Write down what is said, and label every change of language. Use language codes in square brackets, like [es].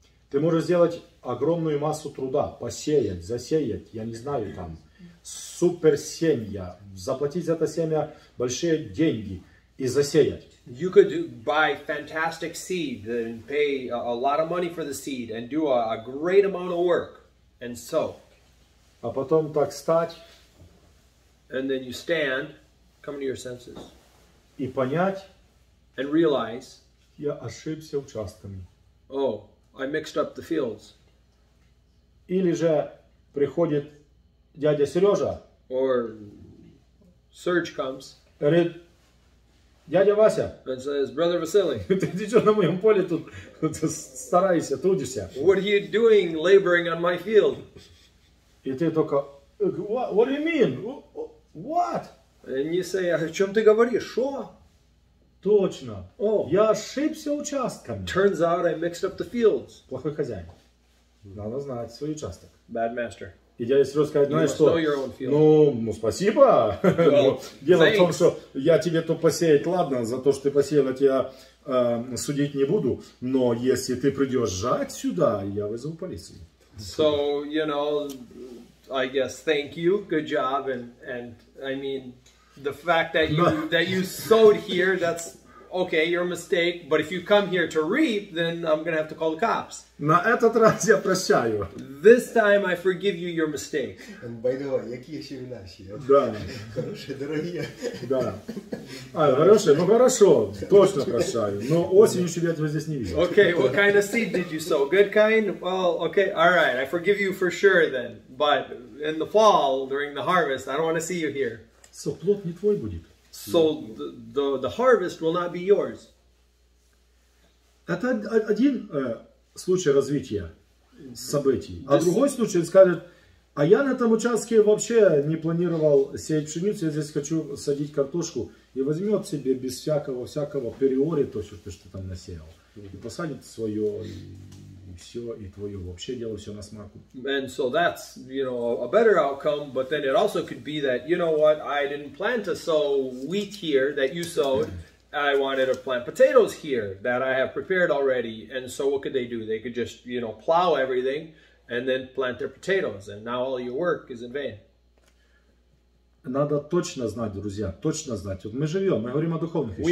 [ru] Ты можешь сделать огромную массу труда, посеять, засеять, я не знаю там, супер семья, заплатить за это семя большие деньги и засеять. [en] You could buy fantastic seed and pay a lot of money for the seed and do a great amount of work and sow. [ru] А потом так встать. [en] And then you stand, come to your senses. [ru] И понять. [en] And realize. [ru] Я ошибся участками. [en] Oh, I mixed up the fields. [ru] Или же приходит дядя Сережа. [en] Or Serge comes. [ru] Дядя Вася. [en] And says, brother Василий. [ru] Ты что на моем поле тут стараешься, трудишься? What are you doing laboring on my field? И ты только, [en] what do you mean? What? And you say, [ru] о чем ты говоришь? Что? Точно. Oh. Я ошибся участками. [en] Turns out I mixed up the fields. [ru] Плохой хозяин. Надо знать свой участок. [en] Bad master. [ru] И дядя Серёжа сказал, знаешь что, ну спасибо, дело в том, что я тебе то посеять, ладно, за то, что ты посеял, я тебя судить не буду, но если ты придешь жать сюда, я вызову полицию. [en] So, you know, I guess, thank you, good job, and I mean, the fact that you sowed here, that's... Okay, your mistake, but if you come here to reap, then I'm going to have to call the cops. [ru] На этот раз я прощаю. [en] This time I forgive you your mistake. And by the way, [ru] какие семена сие? Да. Хорошие, дорогие. Да. А, хорошие? Ну хорошо, точно прощаю. Но осенью еще я тебя здесь не вижу. [en] Okay, what kind of seed did you sow? Good kind? Well, okay, all right, I forgive you for sure then. But in the fall, during the harvest, I don't want to see you here. [ru] So, плод не твой будет. [en] So the harvest will not be yours. [ru] Это один случай развития событий. А другой случай скажет, а я на этом участке вообще не планировал сеять пшеницу, я здесь хочу садить картошку. И возьмет себе без всякого априори то, что ты там насеял. И посадит свое, и все, и твое вообще дело все на смарку. [en] And so that's, you know, a better outcome, but then it also could be that, you know what, I didn't plan to sow wheat here that you sowed. I wanted to plant potatoes here that I have prepared already. And so what could they do? They could just, you know, plow everything and then plant their potatoes. And now all your work is in vain. [ru] Надо точно знать, друзья, точно знать. Вот мы живем, мы говорим о духовных вещах.